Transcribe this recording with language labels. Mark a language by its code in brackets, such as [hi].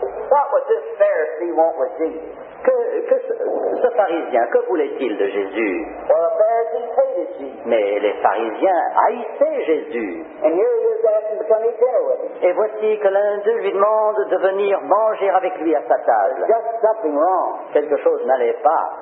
[en] What would this Pharisee want with Jesus? [fr] Que ce pharisien, que voulait-il de Jésus? [en] Well, the Pharisees hated Jesus. [fr] Mais les pharisiens haïssaient Jésus. [en] And here he is asking to come eat dinner with him. [fr] Et voici que l'un d'eux lui demande de venir manger avec lui à sa table. [en] Just something wrong. [fr] Quelque chose n'allait pas.